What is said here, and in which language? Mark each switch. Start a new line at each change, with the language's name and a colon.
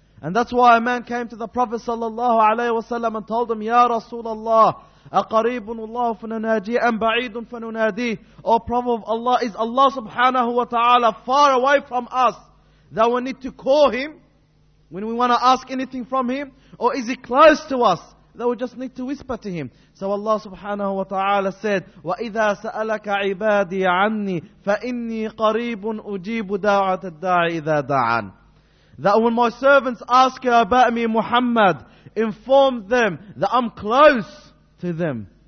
English: And that's why a man came to the Prophet sallallahu alayhi wa sallam and told him, Ya Rasulallah,
Arabic: أَقَرِيبٌ اللَّهُ فَنُنَاجِيهِ أَمْ بَعِيدٌ فَنُنَادِيهِ.
English: O Prophet of Allah, is Allah subhanahu wa ta'ala far away from us that we need to call Him when we want to ask anything from Him? Or is He close to us that we just need to whisper to Him? So Allah subhanahu wa ta'ala said,
Arabic: وَإِذَا سَأَلَكَ عِبَادِي عَنِّي فَإِنِّي قَرِيبٌ أُجِيبُ دَاعَةَ الدَّاعِ إِذَا دَعَانِ.
English: That when my servants ask you about me, Muhammad, inform them that I'm close to them.